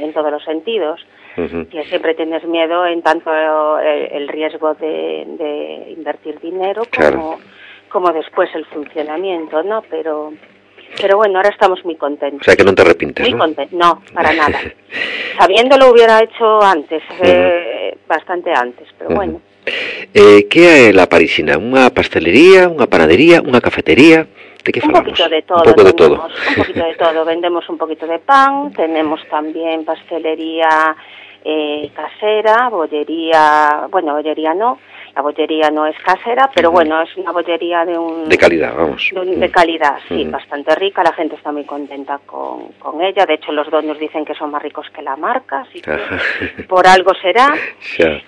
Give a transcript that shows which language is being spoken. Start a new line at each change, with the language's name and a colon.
Spanish: En todos los sentidos, uh-huh. y siempre tienes miedo en tanto el riesgo de invertir dinero como después el funcionamiento, ¿no? Pero bueno, ahora estamos muy contentos. O sea, que no te arrepientes, muy, ¿no? Contento, no, para nada. Sabiéndolo hubiera hecho antes, uh-huh. bastante antes, pero uh-huh. bueno.
Galician: ¿Qué é La Parisina? ¿Unha pastelería, unha panadería, unha cafetería? ¿De qué falamos?
Spanish: Un poquito de todo. Vendemos un poquito de pan, tenemos también pastelería casera, bollería, bueno, bollería no, la bollería no es casera, pero uh-huh. bueno, es una bollería de calidad, sí, uh-huh. bastante rica, la gente está muy contenta con ella, de hecho los dueños dicen que son más ricos que la marca, así que por algo será, yeah.